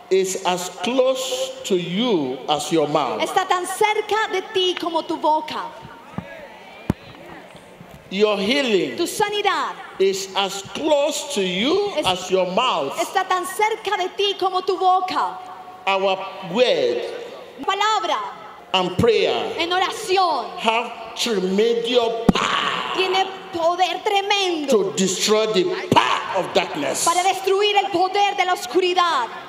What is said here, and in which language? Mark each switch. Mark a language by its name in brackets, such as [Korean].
[English] Is as close to you as your mouth. [Spanish] Está tan cerca de ti como tu boca. [English] Your healing. [Spanish] Tu sanidad. [English] Is as close to you as your mouth. [Spanish] Está tan cerca de ti como tu boca. [English] Our word. [Spanish] Palabra. [English] And prayer. [Spanish] En oración. [English] Have tremendous power. [Spanish] Tiene poder tremendo. [English] To destroy the power of darkness. [Spanish] Para destruir el poder de la oscuridad.